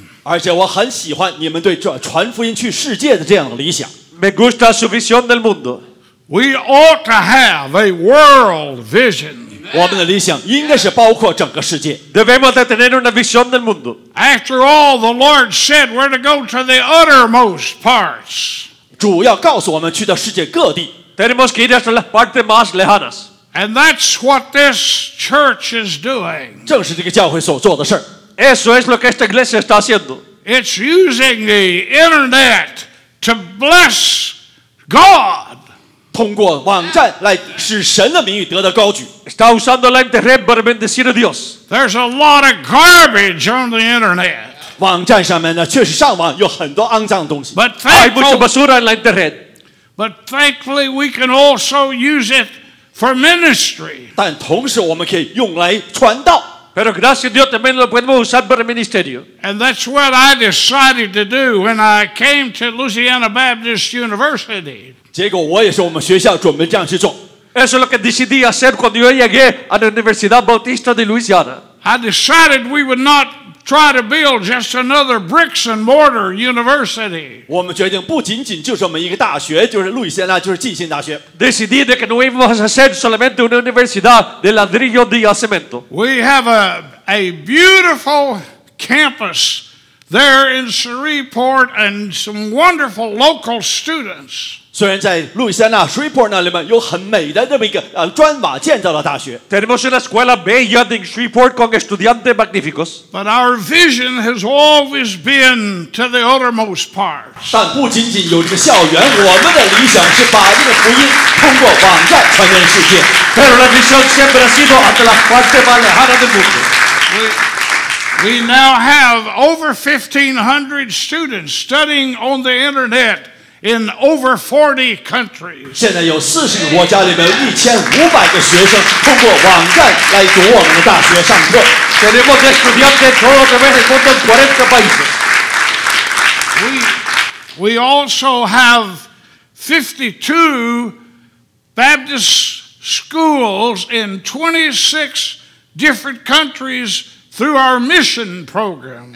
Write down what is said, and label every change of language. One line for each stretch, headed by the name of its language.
Chinese: 而且我很喜欢你们对传福音去世界的这样的理想。
Spanish: Me gusta su visión del mundo.
English: We ought to have a world vision.
Chinese: 我们的理想应该是包括整个世界。
Spanish: Debemos de tener una visión del mundo.
English: After all, the Lord said we're to go to the uttermost parts.
Chinese: 主要告诉我们去到世界各地。
Spanish: Tenemos que ir hasta las partes más lejanas.
English: And that's what this church is doing.
Chinese: 正是这个教会所做的事。
Spanish: Eso es lo que esta iglesia está haciendo.
English: It's using the internet to bless God.
Chinese: 通过网站来使神的名誉得到高举。
Spanish: Está usando la internet para bendecir a Dios.
English: There's a lot of garbage on the internet.
Chinese: 网站上面呢，确实上网有很多肮脏的东西。
English: But thankfully,
Spanish: hay mucha basura en la internet.
English: But thankfully, we can also use it for ministry.
Chinese: 但同时，我们可以用来传道。
Spanish: Pero gracias a Dios también lo podemos usar para el ministerio.
English: And that's what I decided to do when I came to Louisiana Baptist University.
Chinese: 结果我也是我们学校准备这样去做。
Spanish: Eso es lo que decidí hacer cuando yo llegué a la Universidad Bautista de Louisiana.
English: I decided we would not try to build just another bricks and mortar university.
Chinese: 我们决定不仅仅就这么一个大学，就是路易斯安那，就是进行大学。
Spanish: Decidí que no íbamos a hacer solamente una universidad de ladrillo y cemento.
English: We have a beautiful campus there in Shreveport and some wonderful local students.
Chinese: 虽然在路易斯安那 Shreveport 那里面有很美的这么一个砖瓦建造的大学
Spanish: ，tenemos una escuela bella en Shreveport con estudiantes magníficos.
English: But our vision has always been to the uttermost parts.
Chinese: 但不仅仅有这个校园，我们的理想是把这个福音通过网站传遍世界。
Spanish: Pero la visión siempre ha sido hasta la parte más lejana del mundo.
English: We now have over 1,500 students studying on the internet. In over 40 countries.
Chinese: 现在有四十个国家里面1500个学生通过网站来读我们的大学上课。
Spanish: Tenemos estudiantes todo el mundo en 40 países.
English: We also have 52 Baptist schools in 26 different countries through our mission program.